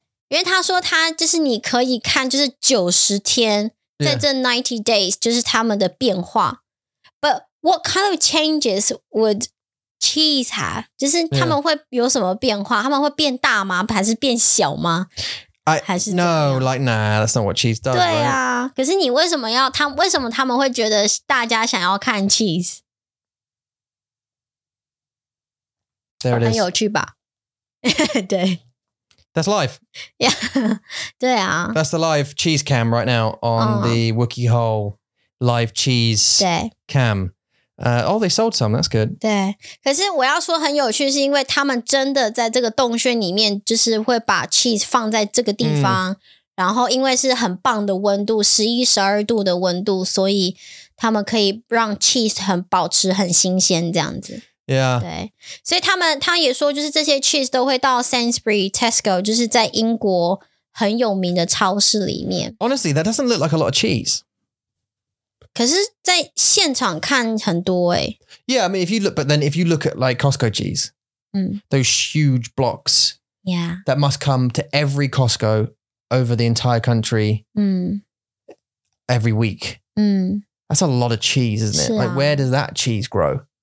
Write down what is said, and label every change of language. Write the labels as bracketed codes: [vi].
[zh] 因为他说他就是你可以看，就是90天。 [en] Yeah. [zh] 在这 [en] 90 days [zh] 就是他们的变化 [en] But what kind of changes would cheese have? [zh] 就是他们会有什么变化、 [en] yeah. [zh] 他们会变大吗还是变小吗 [en] I, [zh] 还是 [en] No, like nah, that's not what cheese does [zh] 对啊、 [en] right? [zh] 可是你为什么要他为什么他们会觉得大家想要看 cheese [en] There it is [zh] 很有趣吧对 [en] That's live. [zh] Yeah, 对啊。 [en] That's the live cheese cam right now on、the Wookiee Hole live cheese cam. Oh, they sold some. That's good. [zh] 对，可是我要说很有趣，是因为他们真的在这个洞穴里面，就是会把 cheese 放在这个地方。 Mm. 然后因为是很棒的温度，11-12度的温度，所以他们可以让 cheese 很保持很新鲜这样子。 [en] Yeah. [zh] 对，所以他也说，就是这些 cheese 都会到 Sainsbury Tesco， 就是在英国很有名的超市里面。 [en] Honestly, that doesn't look like a lot of cheese. [zh] 可是，在现场看很多哎、欸。 [en] Yeah, I mean, if you look, but then if you look at like Costco cheese,、those huge blocks, yeah, that must come to every Costco over the entire country,、every week.、That's a lot of cheese, isn't it?、啊、 like, where does that cheese grow?